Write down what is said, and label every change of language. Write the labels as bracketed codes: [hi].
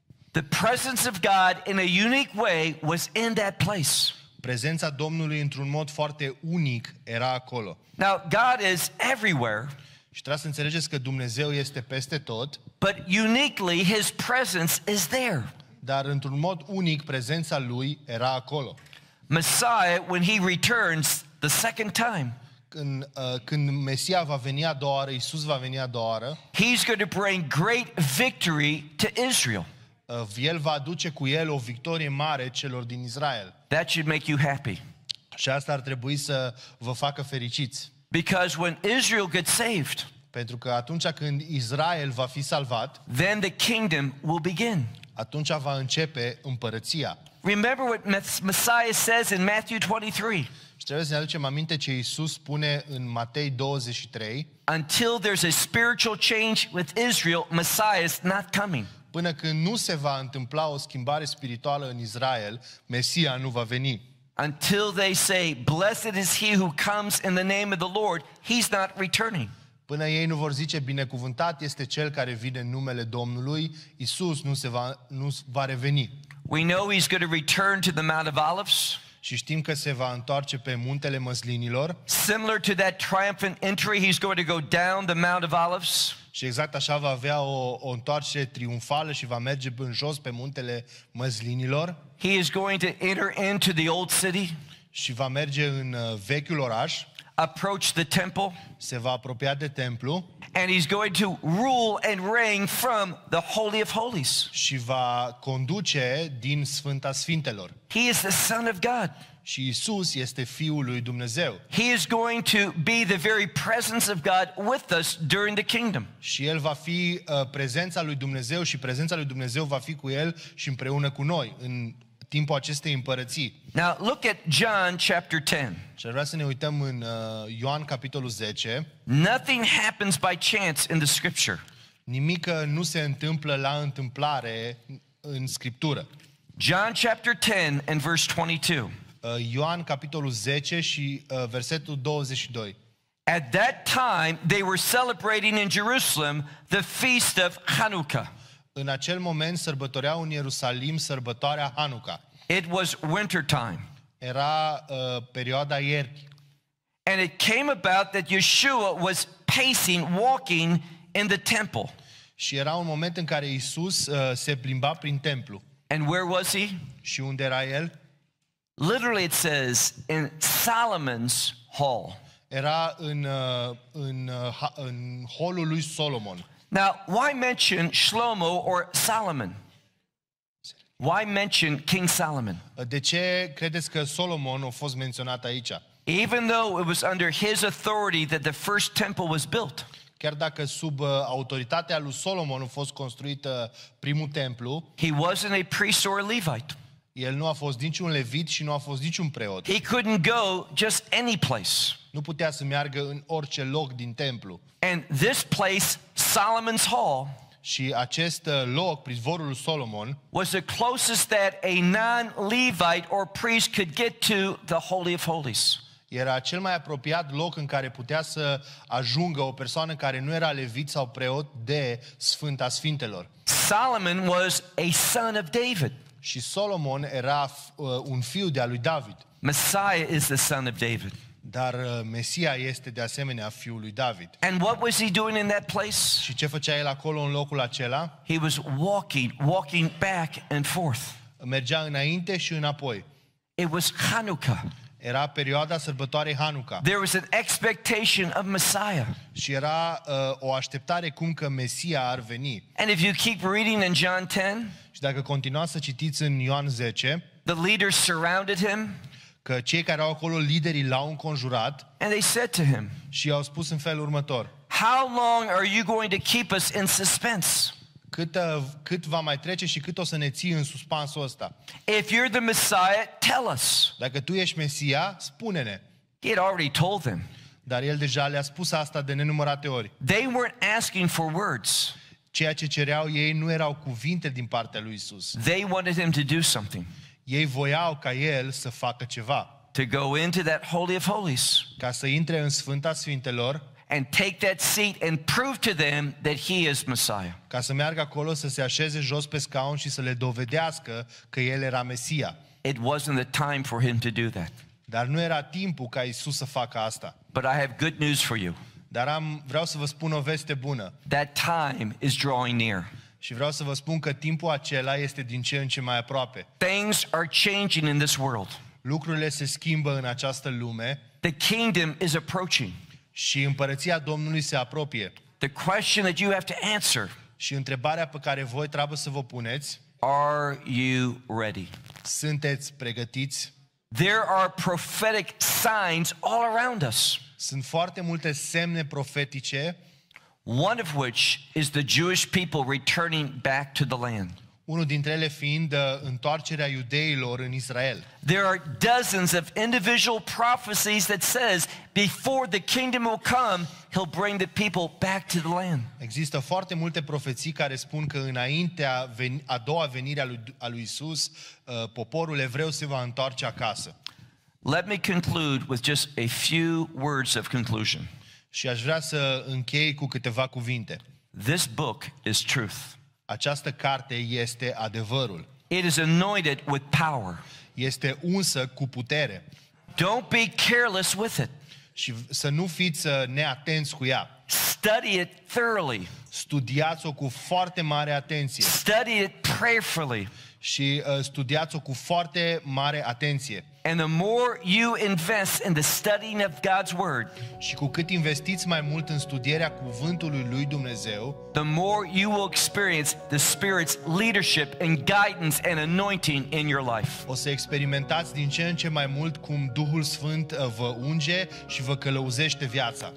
[en] The presence of God in a unique way was in that place. [ro] Prezența Domnului într-un mod foarte unic era acolo. [en] Now God is everywhere. [ro] Și trebuie să înțelegeți că Dumnezeu este peste tot. [en] But uniquely his presence is there. [ro] Dar într-un mod unic prezența lui era acolo. [en] Messiah when he returns the second time. [ro] Când Mesia va veni a doua oară, Iisus va veni a doua oară. [en] He's going to bring great victory to Israel. [ro] El va aduce cu el o victorie mare celor din Israel. [en] That should make you happy. [ro] Și asta ar trebui să vă facă fericiți. [en] Because when Israel gets saved. [ro] Pentru că atunci când Israel va fi salvat, [en] then the kingdom will begin. [ro] Atunci va începe împărăția. [en] Remember what Messiah says in Matthew 23. [ro] Trebuie să ne aducem aminte ce Iisus spune în Matei 23. [en] Until there's a spiritual change with Israel, Messiah is not coming. [ro] Până când nu se va întâmpla o schimbare spirituală în Israel, Mesia nu va veni. [en] Until they say, "Blessed is he who comes in the name of the Lord," he's not returning. [ro] Până ei nu vor zice binecuvântat este cel care vine în numele Domnului, Iisus nu va reveni. [en] We know he's going to return to the Mount of Olives. [ro] Și știm că se va întoarce pe muntele măslinilor. [en] Similar to that triumphant entry, he's going to go down the Mount of Olives. [ro] Și exact așa va avea o întoarcere triumfală și va merge în jos pe muntele măslinilor. [en] He is going to enter into the old city. [ro] Și va merge în vechiul oraș. [en] Approach the temple. [ro] Se va apropia de templu. [en] And he's going to rule and reign from the Holy of Holies. [ro] Și va conduce din Sfânta Sfintelor. [en] He is the Son of God. [ro] Și Iisus este Fiul lui Dumnezeu. [en] He is going to be the very presence of God with us during the kingdom. [ro] Și el va fi prezența lui Dumnezeu și prezența lui Dumnezeu va fi cu el și împreună cu noi în timpul acestei împărății. [en] Now look at John chapter 10. [ro] Și vreau să ne uităm în Ioan capitolul 10. [en] Nothing happens by chance in the scripture. [ro] Nimic nu se întâmplă la întâmplare în Scriptură. [en] John chapter 10 and verse 22. [ro] Ioan capitolul 10 și versetul 22. [en] At that time they were celebrating in Jerusalem the feast of Hanukkah. [ro] În acel moment sărbătoreau în Ierusalim sărbătoarea Hanukkah. [en] It was winter time. [ro] Era perioada iernii. [en] And it came about that Yeshua was pacing, walking in the temple. [ro] Și era un moment în care Iisus se plimba prin templu. [en] And where was he? [ro] Și unde era el? [en] Literally it says in Solomon's hall. [ro] Era în în holul lui Solomon. [en] Now, why mention Shlomo or Solomon? Why mention King Solomon? [ro] De ce credeți că Solomon a fost menționat aici? [en] Even though it was under his authority that the first temple was built. [ro] Chiar dacă sub autoritatea lui Solomon a fost construit primul templu. [en] He wasn't a priest or a Levite. [ro] El nu a fost niciun levit și nu a fost niciun preot. [en] He couldn't go just any place. [ro] Nu putea să meargă în orice loc din templu. [en] And this place, Solomon's Hall, [ro] și acest loc, prizvorul lui Solomon, [en] was the closest that a non-Levite or priest could get to the Holy of Holies. [ro] Era cel mai apropiat loc în care putea să ajungă o persoană care nu era levit sau preot de Sfânta Sfintelor. [en] Solomon was a son of David. [ro] Și Solomon era un fiu de al lui David. [en] Messiah is the son of David. [ro] Dar Mesia este de asemenea fiul lui David. [en] And what was he doing in that place? [ro] Și ce făcea el acolo în locul acela? [en] He was walking back and forth. [ro] Mergea înainte și înapoi. [en] It was Hanukkah. [ro] Era perioada sărbătoarei Hanukkah. [en] There was an expectation of Messiah. [ro] Și era o așteptare cum că Mesia ar veni. [en] And if you keep reading in John 10, [ro] și dacă continuați să citiți în Ioan 10, [en] the leaders surrounded him. [ro] Că cei care au acolo, liderii l-au înconjurat. [en] And they said to him, [ro] și au spus în felul următor. [en] How long are you going to keep us in suspense? [ro] Cât va mai trece și cât o să ne ții în suspansul ăsta? [en] If you're the Messiah, tell us. [ro] Dacă tu ești Mesia, spune-ne. [en] He had already told them. [ro] Dar el deja le-a spus asta de nenumărate ori. [en] They weren't asking for words. [ro] Ceea ce cereau ei nu erau cuvinte din partea lui Isus. [en] They wanted him to do something. [ro] Ei voiau ca el să facă ceva. [en] To go into that Holy of Holies. [ro] Ca să intre în Sfânta Sfintelor. [en] And take that seat and prove to them that he is Messiah. [ro] Ca să meargă acolo să se așeze jos pe scaun și să le dovedească că el era Mesia. [en] It wasn't the time for him to do that. [ro] Dar nu era timpul ca Isus să facă asta. [en] But I have good news for you. [ro] Dar vreau să vă spun o veste bună. [en] That time is drawing near. [ro] Și vreau să vă spun că timpul acela este din ce în ce mai aproape. [en] Things are changing in this world. [ro] Lucrurile se schimbă în această lume. [en] The kingdom is approaching. [ro] Și împărăția Domnului se apropie. [en] The question that you have to answer. [ro] Și întrebarea pe care voi trebuie să vă puneți. [en] Are you ready? [ro] Sunteți pregătiți? [en] There are prophetic signs all around us. [ro] Sunt foarte multe semne profetice. [en] One of which is the Jewish people returning back to the land. [ro] Unul dintre ele fiind întoarcerea iudeilor în Israel. [en] There are dozens of individual prophecies that says before the kingdom will come, he'll bring the people back to the land. [ro] Există foarte multe profeții care spun că înaintea a doua venire a lui Isus, poporul evreu se va întoarce acasă. [en] Let me conclude with just a few words of conclusion. [ro] Și aș vrea să închei cu câteva cuvinte. [en] This book is truth. [ro] Această carte este adevărul. [en] It is anointed with power. [ro] Este unsă cu putere. [en] Don't be careless with it. [ro] Și să nu fiți neatenți cu ea. [en] Study it thoroughly. [ro] Studiați-o cu foarte mare atenție. [en] Study it prayerfully. [ro] Și studiați-o cu foarte mare atenție. [en] And the more you invest in the studying of God's word, [ro] și cu cât investiți mai mult în studierea cuvântului lui Dumnezeu, [en] the more you will experience the Spirit's leadership and guidance and anointing in your life. [ro] O să experimentați din ce în ce mai mult cum Duhul Sfânt vă unge și vă călăuzește viața.